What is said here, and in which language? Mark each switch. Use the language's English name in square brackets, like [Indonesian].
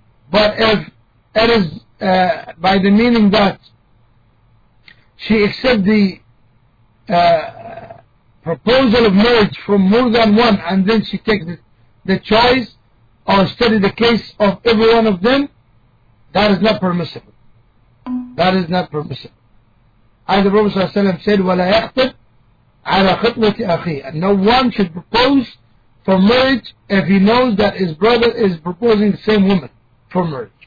[English] But if it is by the meaning that she accepts the proposal of marriage from more than one, and then she takes the choice or study the case of every one of them, that is not permissible. That is not permissible. As the Prophet ﷺ said, [Arabic] وَلَا يَخْطِبْ عَلَى خِطْوَةِ أَخِيهِ. [English] And no one should propose for marriage if he knows that his brother is proposing the same woman for marriage.